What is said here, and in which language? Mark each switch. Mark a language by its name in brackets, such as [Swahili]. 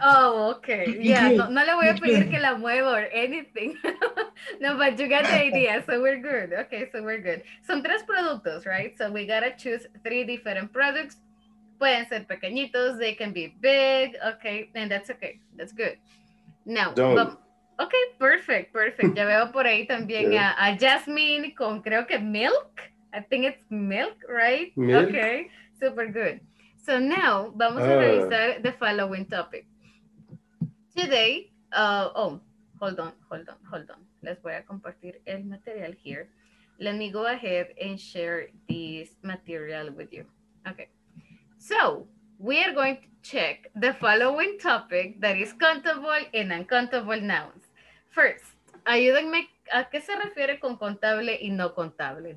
[Spanish] Oh, okay. Yeah, no le voy a pedir que la mueva [English] or anything. No, but you got the idea, so we're good. Okay, so we're good. [Spanish] Son 3 productos, [English] right? So we gotta choose 3 different products. [Spanish] Pueden ser pequeñitos, [English] they can be big, okay, and that's okay, that's good. Now, okay, perfect, perfect. [Spanish] Ya veo por ahí también a Jasmine con creo que milk. [English] I think it's milk, right? Milk. Okay, super good. So now, [Spanish] vamos a revisar [English] the following topic. Today, hold on. [Spanish] Les voy a compartir el material here. [English] Let me go ahead and share this material with you. Okay. So, we are going to check the following topic, that is countable and uncountable nouns. [Spanish] First, ayúdenme, ¿a qué se refiere con contable y no contable?